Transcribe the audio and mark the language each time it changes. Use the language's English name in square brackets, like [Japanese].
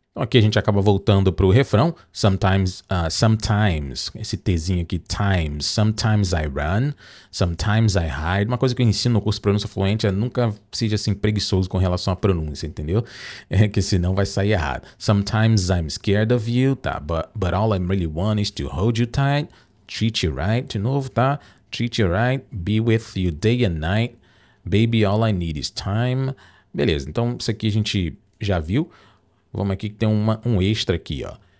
[Portuguese] Então aqui a gente acaba voltando pro refrão. Sometimes, esse Tzinho aqui, times. [English] Sometimes I run, sometimes I hide. [Portuguese] Uma coisa que eu ensino no curso Pronúncia Fluente é nunca seja assim preguiçoso com relação à pronúncia, entendeu? É que senão vai sair errado. [English] Sometimes I'm scared of you, [Portuguese] tá? [English] But all I really want is to hold you tight, treat you right, [Portuguese] de novo, tá? [English] Treat you right, be with you day and night, baby, all I need is time. [Portuguese] Beleza, então isso aqui a gente já viu. Vamos aqui que tem um extra aqui, ó.